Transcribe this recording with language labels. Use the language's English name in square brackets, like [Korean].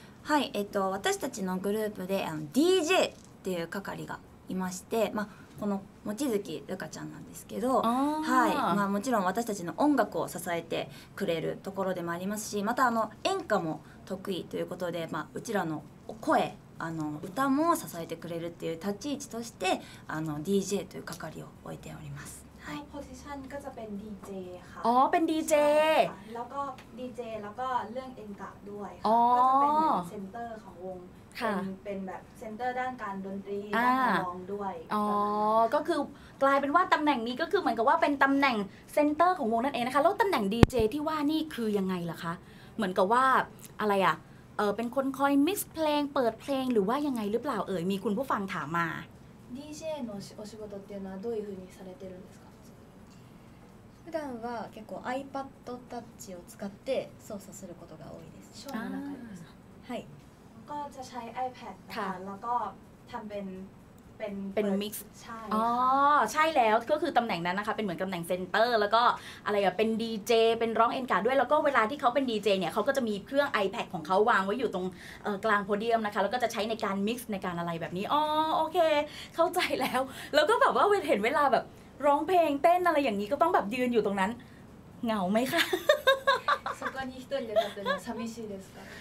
[Japanese] はい、私たちのグループで DJ っていう係がいまして、まあこの望月瑠香ちゃんなんですけど、はい、まあもちろん私たちの音楽を支えてくれるところでもありますし、また演歌も得意ということで、まあうちらの声あの歌も支えてくれるっていう立ち位置としてあの DJ という係を置いております。はい、 [Thai] ポジションก็จะเป็น DJ ค่ะอ๋อเป็น DJ แล้วก็ DJ แล้วก็เรื่องเอ็นกะด้วยก็จะเป็นเซ็นเตอร์ของวงเป็นแบบเซ็นเตอร์ด้านการดนตรีด้านการร้องด้วย อ๋อก็คือกลายเป็นว่าตำแหน่งนี้ก็คือเหมือนกับว่าเป็นตำแหน่งเซ็นเตอร์ของวงนั่นเองนะคะแล้วตำแหน่ง DJ ที่ว่านี่คือยังไงล่ะคะเหมือนกับว่าอะไรอ่ะเป็นคนคอยมิกซ์เพลงเปิดเพลงหรือว่ายังไงหรือเปล่าเอ่ยมีคุณผู้ฟังถามมา [Japanese] DJ のお仕事っていうのはどういう風にされてるんですか普段は結構 iPad Touch を使って操作することが多いですショーの中ですかはい [Thai] ก็จะใช้ iPad ค่ะแล้วก็ทำเป็น มิก ซ์ ใช่อ๋อใช่แล้วก็คือตำแหน่งนั้นนะคะเป็นเหมือนตำแหน่งเซ็นเตอร์แล้วก็อะไรอ่ะเป็นดีเจเป็นร้องเอ็นการ์ด้วยแล้วก็เวลาที่เขาเป็นดีเจเนี่ยเขาก็จะมีเครื่อง iPad ของเขาวางไว้อยู่ตรงกลางโพเดียมนะคะแล้วก็จะใช้ในการมิกซ์ในการอะไรแบบนี้อ๋อโอเคเข้าใจแล้วแล้วก็แบบว่าเห็นเวลาแบบร้องเพลงเต้นอะไรอย่างนี้ก็ต้องแบบยืนอยู่ตรงนั้นเหงาไหมคะ [Japanese] そこに一人で立ってる寂しいですか